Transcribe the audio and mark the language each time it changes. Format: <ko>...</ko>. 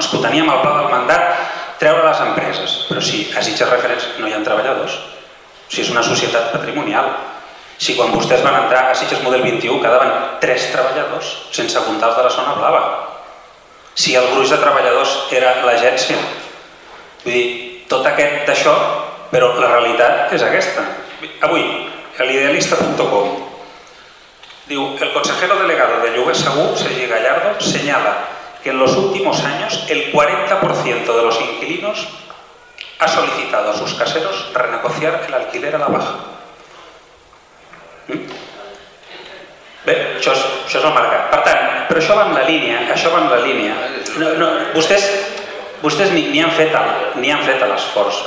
<ca>És que ho teníem al pla del mandat, treure les empreses, però si a Sitges Reference no hi ha treballadors, si és una societat patrimonial, si quan vostès van entrar a Sitges Model 21 quedaven 3 treballadors, sense comptar els de la zona blava, si el gruix de treballadors era l'agència, vull dir, tot aquest d'això Però la realitat és aquesta.</ca> <es>Avui, l'idealista.com diu: el consejero delegado de Lloguer Segur, Sergi Gallardo, señala que en los últimos años el 40% de los inquilinos ha solicitado a sus caseros renegociar el alquiler a la baja.</es> <ca>Bé, això és el mercat. Per tant, però això va en la línia, això va en la línia. No, vostès ni han fet l'esforç.</ca>